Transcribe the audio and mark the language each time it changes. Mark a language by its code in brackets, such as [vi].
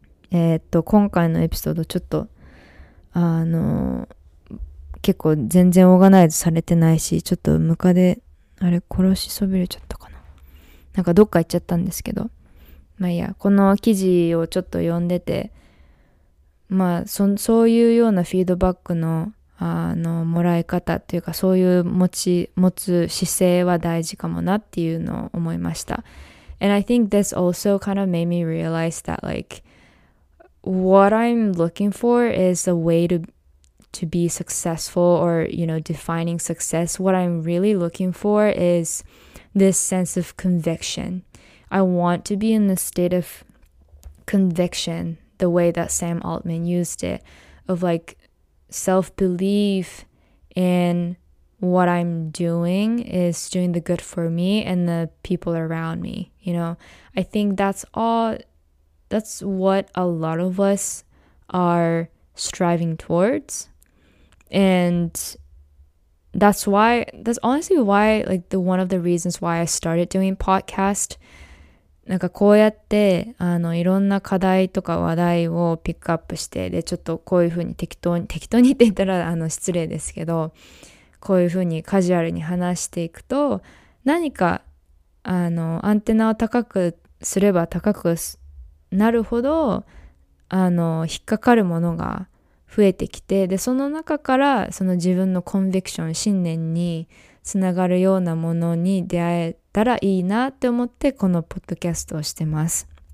[ja] 今回のエピソードちょっと結構全然オーガナイズされてないし、ちょっとムカデ、あれ殺しそびれちゃったかな、なんかどっか行っちゃったんですけど、まあ いや、この記事をちょっと読んでて、まあ そういうようなフィードバック の、 あのもらい方っていうか、そういう持つ姿勢は大事かもなっていうのを思いました。 [en] And I think this also kind of made me realize that likeWhat I'm looking for is a way to be successful, or, you know, defining success. What I'm really looking for is this sense of conviction. I want to be in the state of conviction, the way that Sam Altman used it, of like self-belief in what I'm doing is doing the good for me and the people around me. You know, I think that's all... That's what a lot of us are striving towards. And that's why, that's honestly why, like, the one of the reasons why I started doing podcast. [ja] なんかこうやって、あの、いろんな課題とか話題をピックアップして、で、ちょっとこういうふうに適当にって言ったら、あの、失礼ですけど、こういうふうにカジュアルに話していくと、何か、あの、アンテナを高くすれば高くす、なるほど、あの、引っかかるものが増えてきて、でその中からその自分のコンビクション、信念につながるようなものに出会えたらいいなって思ってこのポッドキャストをしてます。